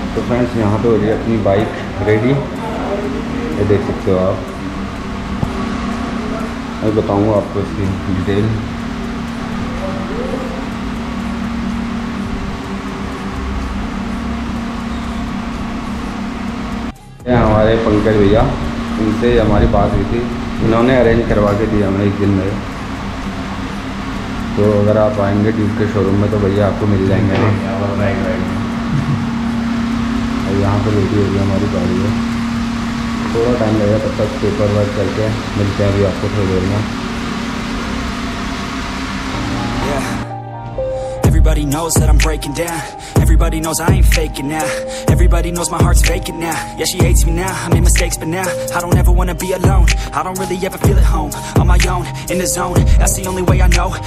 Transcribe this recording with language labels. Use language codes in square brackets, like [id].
[hi] Friends यहाँ पे हो रही है अपनी बाइक रेडी, ये देख सकते हो आप। मैं बताऊँगा आपको इसकी डिटेल। ये हमारे पंकज भैया, उनसे हमारी बात हुई थी, इन्होंने अरेंज करवा के दिया हमें एक दिन में। तो अगर आप आएंगे ड्यूब के शोरूम में तो भैया आपको मिल जाएंगे। यहाँ पर रेडी हो गई हमारी गाड़ी है, थोड़ा टाइम लगेगा तब तक पेपर वर्क करके मिलते हैं अभी आपको थोड़ी देर में। [en] Everybody knows that I'm breaking down. Everybody knows I ain't faking now. Everybody knows my heart's faking now. Yeah, she hates me now. I made mistakes, but now I don't ever wanna be alone. I don't really ever feel at home on my own in the zone. That's the only way I know.